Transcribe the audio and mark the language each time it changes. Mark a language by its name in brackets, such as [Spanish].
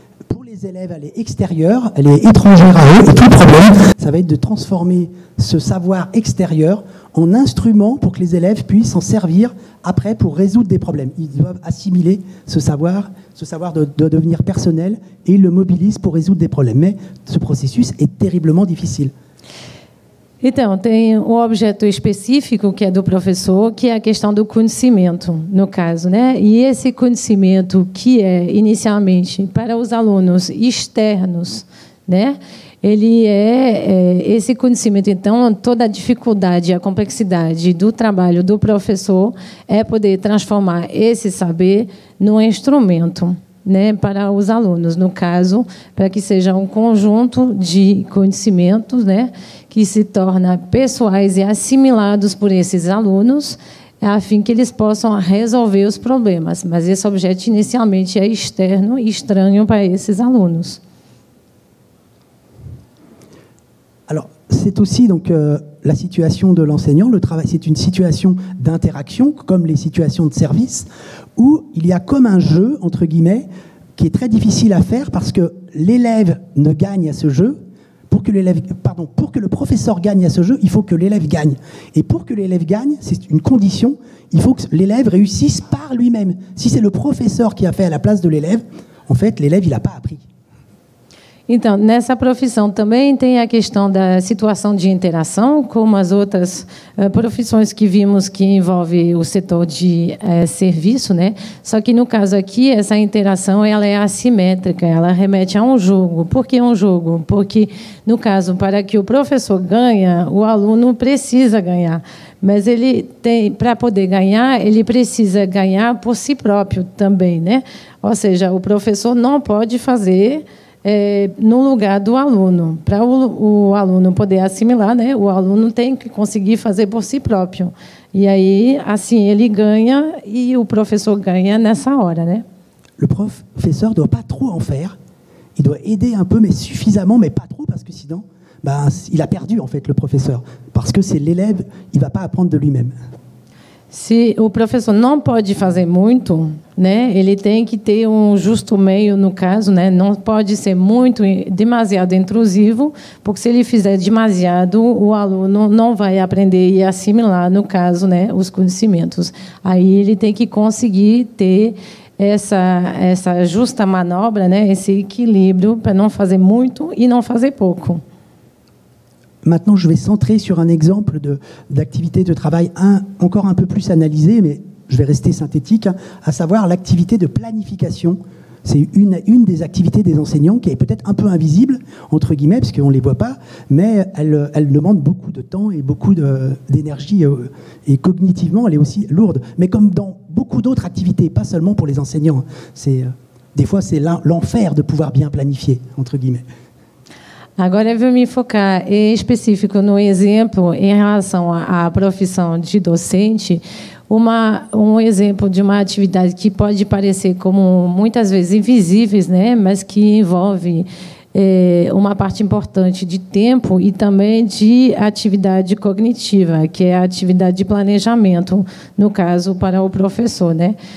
[French] Pour les élèves, elle est extérieure, elle est étrangère à eux. Et tout le problème, ça va être de transformer ce savoir extérieur en instrument pour que les élèves puissent s'en servir après pour résoudre des problèmes. Ils doivent assimiler ce savoir doit devenir personnel et ils le mobilisent pour résoudre des problèmes. Mais ce processus est terriblement difficile. [Portuguese] Então, tem um objeto específico que é do professor, que é a questão do conhecimento, no caso, né? E esse conhecimento que é inicialmente para os alunos externos, né? Ele é esse conhecimento, então, toda a dificuldade, a complexidade do trabalho do professor é poder transformar esse saber num instrumento, né, para os alunos, no caso, para que seja um conjunto de conhecimentos, né, que se torna pessoais e assimilados por esses alunos, a fim que eles possam resolver os problemas. Mas esse objeto, inicialmente, é externo e estranho para esses alunos. [French] Alors, c'est aussi donc la situation de l'enseignant, le travail, c'est une situation d'interaction, comme les situations de service, où il y a comme un jeu, entre guillemets, qui est très difficile à faire, parce que l'élève ne gagne à ce jeu, pour que le professeur gagne à ce jeu, il faut que l'élève gagne. Et pour que l'élève gagne, c'est une condition, il faut que l'élève réussisse par lui-même. Si c'est le professeur qui a fait à la place de l'élève, en fait, l'élève, il n'a pas appris. [Portuguese] Então, nessa profissão também tem a questão da situação de interação, como as outras profissões que vimos que envolve o setor de serviço, né? Só que no caso aqui, essa interação ela é assimétrica, ela remete a um jogo. Por que um jogo? Porque, no caso, para que o professor ganhe, o aluno precisa ganhar. Mas ele tem, para poder ganhar, ele precisa ganhar por si próprio também, né? Ou seja, o professor não pode fazer no lugar do aluno. Para o aluno poder assimilar, né? O aluno tem que conseguir fazer por si próprio. E aí, assim, ele ganha e o professor ganha nessa hora, né? [French] Le professeur doit pas trop en faire. Il doit aider un peu, mais suffisamment, mais pas trop, parce que sinon, ben, il a perdu, en fait, le professeur. Parce que c'est l'élève, il ne va pas apprendre de lui-même. Si le professeur ne peut pas faire beaucoup, [Portuguese] né, il tem que ter [French] un juste [Portuguese] meio, no caso, né, não pode ser muito demasiado intrusivo, porque se ele fizer demasiado, o aluno não vai aprender e assimilar, no caso, né, os conhecimentos. Aí ele tem que conseguir ter essa justa manobra, né, esse equilíbrio para não fazer muito e não fazer pouco. [French] Maintenant, je vais centrer sur un exemple d'activité de travail encore un peu plus analysé, mais je vais rester synthétique, à savoir l'activité de planification. C'est une des activités des enseignants qui est peut-être un peu invisible, entre guillemets, parce qu'on ne les voit pas, mais elle demande beaucoup de temps et beaucoup d'énergie. Et cognitivement, elle est aussi lourde. Mais comme dans beaucoup d'autres activités, pas seulement pour les enseignants, des fois, c'est l'enfer de pouvoir bien planifier, entre guillemets. [Portuguese] Agora, eu vou me focar em específico no exemplo em relação à profissão de docente. Um exemplo de uma atividade que pode parecer como muitas vezes invisíveis, né, mas que envolve uma parte importante de tempo e também de atividade cognitiva, que é a atividade de planejamento, no caso, para o professor, né?